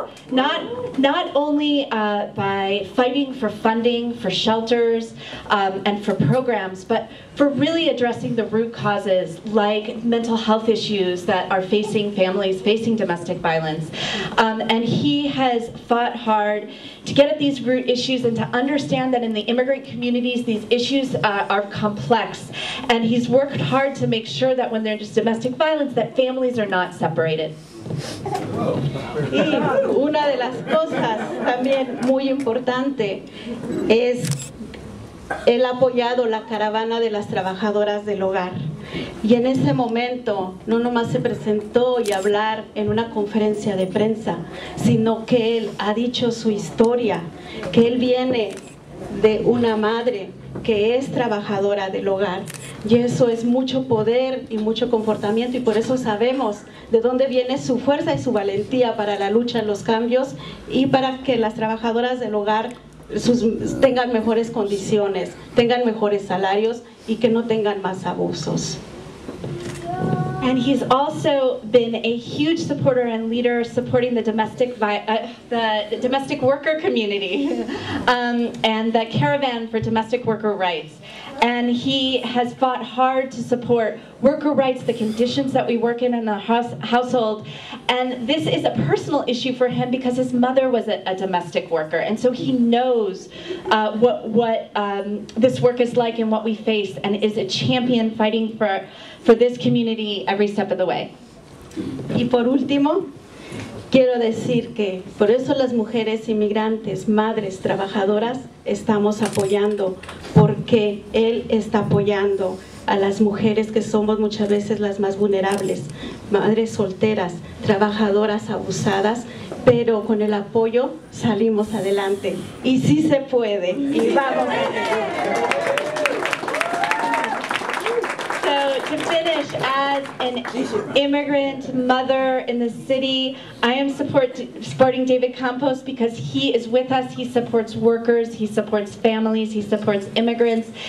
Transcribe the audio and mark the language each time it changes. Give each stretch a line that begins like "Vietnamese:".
English: Not only by fighting for funding, for shelters, and for programs, but for really addressing the root causes, like mental health issues that are facing families facing domestic violence. And he has fought hard to get at these root issues and to understand that in the immigrant communities, these issues are complex. And he's worked hard to make sure that when there's just domestic violence, that families are not separated.
Spanish: Y una de las cosas también muy importante es él ha apoyado la caravana de las trabajadoras del hogar. Y en ese momento no nomás se presentó y hablar en una conferencia de prensa, sino que él ha dicho su historia, que él viene de una madre que es trabajadora del hogar. Y eso es mucho poder y mucho confortamiento, y por eso sabemos de dónde viene su fuerza y su valentía para la lucha en los cambios y para que las trabajadoras del hogar tengan mejores condiciones, tengan mejores salarios y que no tengan más abusos.
English: And he's also been a huge supporter and leader supporting the domestic worker community and the caravan for domestic worker rights. And he has fought hard to support worker rights, the conditions that we work in the household. And this is a personal issue for him because his mother was a domestic worker. And so he knows what this work is like and what we face, and is a champion fighting for this community every step of the way.
Spanish: Y por último, quiero decir que por eso las mujeres inmigrantes, madres, trabajadoras, estamos apoyando, porque él está apoyando a las mujeres que somos muchas veces las más vulnerables, madres solteras, trabajadoras abusadas, pero con el apoyo salimos adelante. Y sí se puede, y vamos.
English: To finish, as an immigrant mother in the city, I am supporting David Campos because he is with us, he supports workers, he supports families, he supports immigrants.